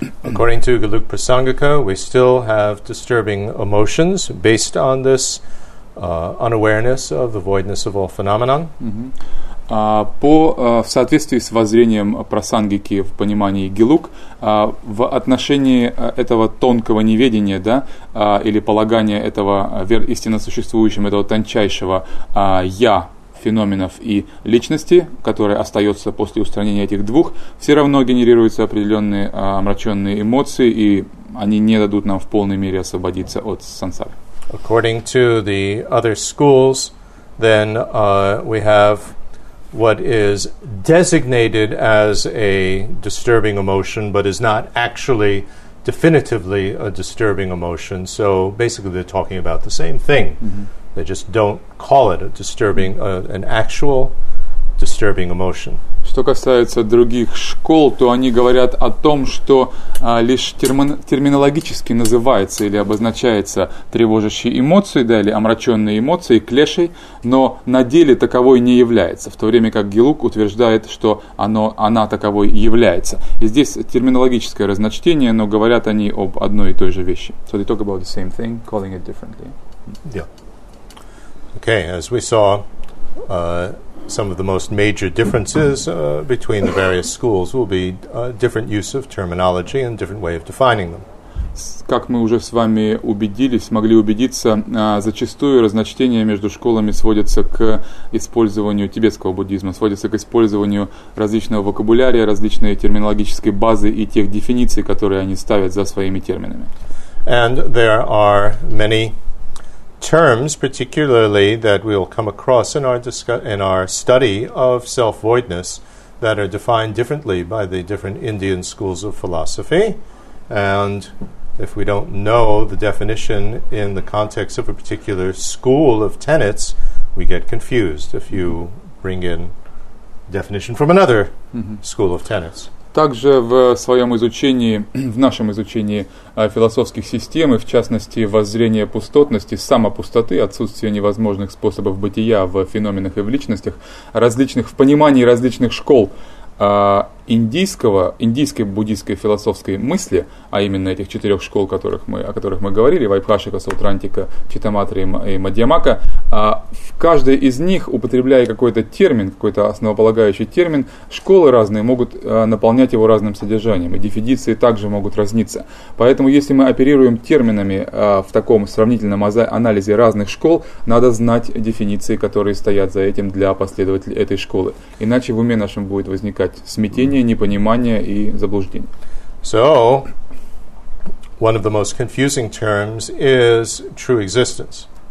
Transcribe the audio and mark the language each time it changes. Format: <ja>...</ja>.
<en>According to Galuk Prasangika, we still have disturbing emotions based on this unawareness of the voidness of all phenomena.</en> <ru>В соответствии с воззрением Прасангики в понимании Гилук, в отношении этого тонкого неведения, да, или полагания этого истинно существующим, этого тончайшего «я» феноменов и личности, которые остаются после устранения этих двух, все равно генерируются определенные омраченные эмоции, и они не дадут нам в полной мере освободиться от сансары.</ru> <en>According to the other schools, then we have what is designated as a disturbing emotion, but is not actually definitively a disturbing emotion. So basically, they're talking about the same thing. Mm-hmm. They just don't call it a disturbing, an actual disturbing emotion.</en> <ru>Что касается других школ, то они говорят о том, что лишь терминологически называется или обозначается тревожащие эмоции, да, или омраченные эмоции, клешей, но на деле таковой не является, в то время как Гилук утверждает, что она таковой является. И здесь терминологическое разночтение, но говорят они об одной и той же вещи.</ru> <en>So they talk about the same thing, calling it differently. Yeah. Okay, as we saw, some of the most major differences between the various schools will be different use of terminology and different way of defining them.</en> <ru>Как мы уже с вами убедились, могли убедиться, зачастую разночтения между школами сводятся к использованию тибетского буддизма, сводятся к использованию различного вокабулярия, различной терминологической базы и тех дефиниций, которые они ставят за своими терминами.</ru> <en>And there are many terms, particularly, that we will come across in our study of self-voidness, that are defined differently by the different Indian schools of philosophy. And if we don't know the definition in the context of a particular school of tenets, we get confused if you bring in definition from another school of tenets.</en> <ru>Также в своем изучении, в нашем изучении философских систем, и в частности воззрения пустотности, самопустоты, отсутствия невозможных способов бытия в феноменах и в личностях, различных в понимании различных школ индийской буддийской философской мысли, а именно этих четырех школ, о которых мы говорили, Вайбхашика, Саутрантика, Читаматри и Мадьямака, в каждой из них, употребляя какой-то основополагающий термин, школы разные могут наполнять его разным содержанием, и дефиниции также могут разниться. Поэтому, если мы оперируем терминами в таком сравнительном анализе разных школ, надо знать дефиниции, которые стоят за этим для последователей этой школы. Иначе в уме нашем будет возникать смятение, непонимание и заблуждение.</ru> <en>So, one of the most confusing terms is true existence.</en>